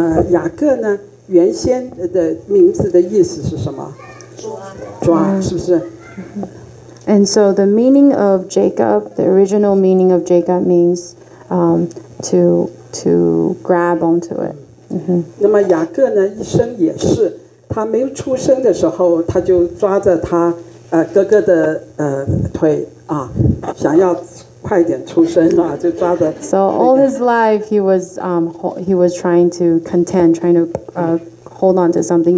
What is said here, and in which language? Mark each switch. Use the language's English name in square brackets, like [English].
[Chinese] 雅各呢原先的名字的意思是什么？抓是不是？ [English] And so the meaning of Jacob, the original meaning of Jacob means to grab onto it. [Chinese] 那么雅各呢一生也是，他没有出生的时候他就抓着他哥哥的腿想要快点出生啊，就抓着。 [English] So all his life he was trying to contend, trying to hold on to something.